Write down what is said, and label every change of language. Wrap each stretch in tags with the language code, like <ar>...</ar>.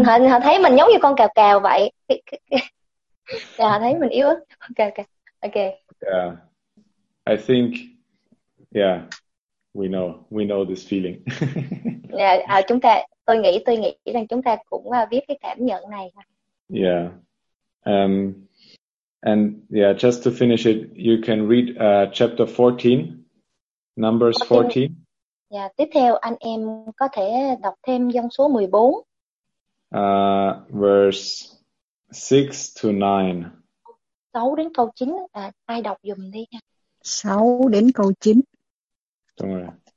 <vi>Họ thấy mình giống như con cào cào vậy. Họ thấy mình yếu. Okay. Okay.</vi> <en>Yeah, I think, yeah, we know this feeling.</en> <vi>Yeah, chúng ta, tôi nghĩ rằng chúng ta cũng biết cái cảm nhận này.</vi> <en>Yeah, and yeah, just to finish it, you can read chapter 14, Numbers 14.</en> <vi>Yeah, tiếp theo anh em có thể đọc thêm dân số 14.</vi> <en>Verse 6 to 9.</en> <vi>6 đến câu 9 à, ai đọc giùm đi nha. 6 đến câu 9. Đúng rồi.</vi>